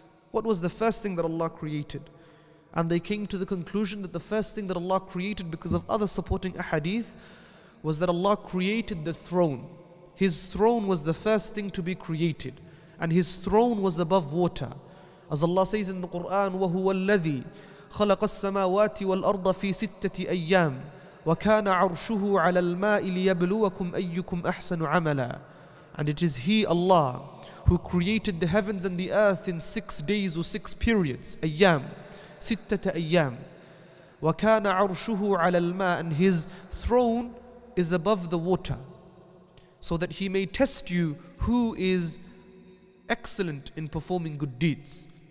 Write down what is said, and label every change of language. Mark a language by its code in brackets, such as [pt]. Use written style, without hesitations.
[en] What was the first thing that Allah created? And they came to the conclusion that the first thing that Allah created, because of other supporting ahadith, was that Allah created the throne. His throne was the first thing to be created, and his throne was above water. As Allah says in the Quran, [ar] وَهُوَ الَّذِي خَلَقَ السَّمَاوَاتِ وَالْأَرْضَ فِي سِتَّةِ أَيَّامٍ وَكَانَ عَرْشُهُ عَلَى الْمَاءِ لِيَبْلُوَكُمْ أَيُّكُمْ أَحْسَنُ عَمَلًا. [en] And it is He, Allah, who created the heavens and the earth in 6 days or 6 periods, [ar] أيام, ستة أيام. وَكَانَ عَرْشُهُ عَلَى الْمَاءِ. [en] And His throne is above the water, so that He may test you who is excellent in performing good deeds.